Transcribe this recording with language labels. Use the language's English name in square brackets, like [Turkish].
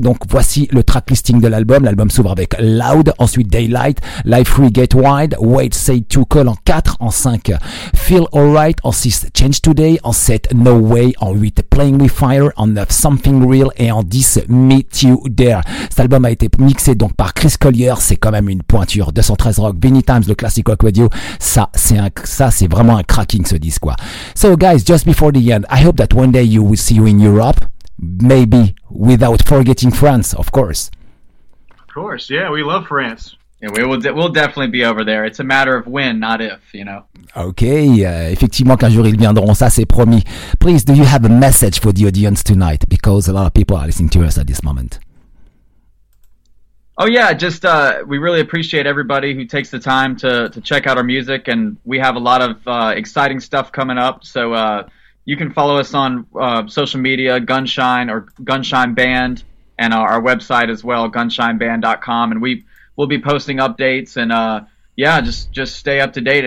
[French] Donc voici le track listing de l'album. L'album s'ouvre avec Loud, ensuite Daylight, Life Free Get Wild, Wait Say To Call en 4, en 5, Feel Alright, en 6, Change Today, en 7, No Way, en 8, Playing With Fire, en 9, Something Real, et en 10, Meet You There. Cet album a été mixé donc par Chris Collier, c'est quand même une pointure. 213 Rock, Vinny Times, le classic rock radio, ça c'est vraiment un cracking, ce disque, quoi. [English] So guys, just before the end, I hope that one day you will see you in Europe, maybe without forgetting France, of course. Of course, yeah, we love France. Yeah, we'll definitely be over there. It's a matter of when, not if, you know. [French] Okay, effectivement, qu'un jour ils viendront, ça c'est promis. [English] Please, do you have a message for the audience tonight? Because a lot of people are listening to us at this moment. Oh yeah, just we really appreciate everybody who takes the time to check out our music, and we have a lot of exciting stuff coming up. So you can follow us on social media, Gunshine or Gunshine Band, and our website as well, gunshineband.com, and we'll be posting updates, and just stay up to date.